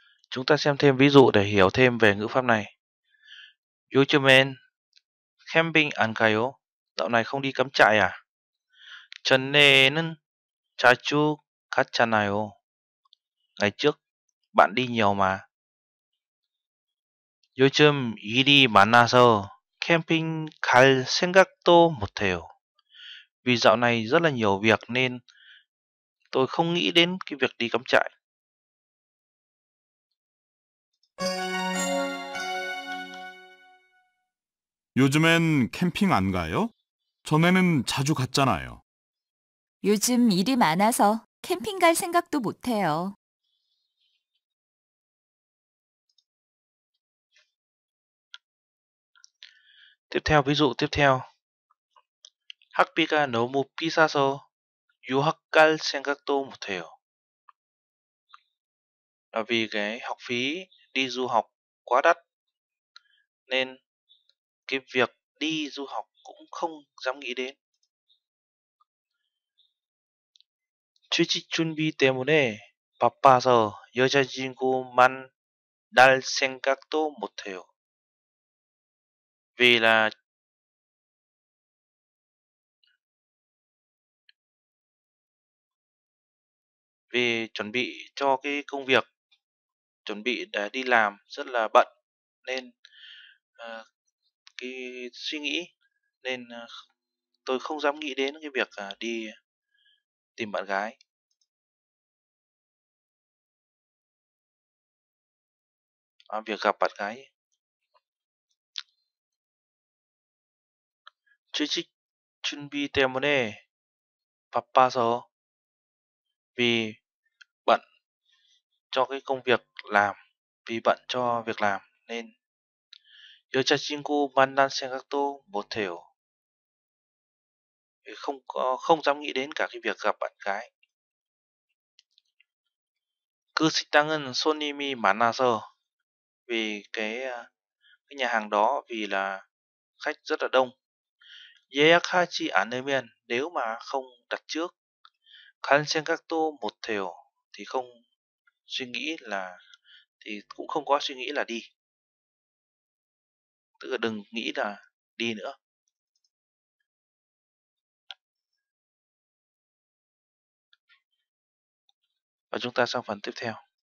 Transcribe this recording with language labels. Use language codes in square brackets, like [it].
[vi] Chúng ta xem thêm ví dụ để hiểu thêm về ngữ pháp này. [ko] 요즘엔 캠핑 안 가요? 다음 날 [vi] không đi cắm trại à? [ko] 전에는 자주 갔잖아요. [vi] Ngày trước, bạn đi nhiều mà. [ko] 요즘 일이 많아서 캠핑 갈 생각도 못 해요. [vi] Vì dạo này rất là nhiều việc nên tôi không nghĩ đến cái việc đi cắm trại. [ko] 요즘엔 캠핑 안 가요? 전에는 자주 갔잖아요. 요즘 일이 많아서 캠핑 갈 생각도 못 해요. [vi] 다음 ví dụ tiếp theo. [ko] 학비가 너무 비싸서 유학 갈 생각도 못 해요. [vi] Là vì cái học phí đi du học quá đắt nên cái việc đi du học cũng không dám nghĩ đến. [ko] 취직 준비 때문에 바빠서 여자친구만 날 생각도 못 해요. [vi] Vì là vì chuẩn bị cho cái công việc, chuẩn bị để đi làm rất là bận nên cái suy nghĩ nên tôi không dám nghĩ đến cái việc đi tìm bạn gái. 아, việc gặp bạn gái. [ko] 취직 준비 때문에 바빠서 [vi] vì cho cái công việc làm, vì bận cho việc làm nên [ko] 여자친구 만난 생각도 못 해요. [vi] Không dám nghĩ đến cả cái việc gặp bạn gái. [ko] 그 식당은 손님이 많아서 [vi] vì cái nhà hàng đó vì là khách rất là đông. [ko] 예약하지 않으면 [vi] nếu mà không đặt trước [ko] 갈 생각도 못 해요. [vi] Thì không suy nghĩ là thì cũng không có suy nghĩ là đi. Tức là đừng nghĩ là đi nữa. và chúng ta sang phần tiếp theo.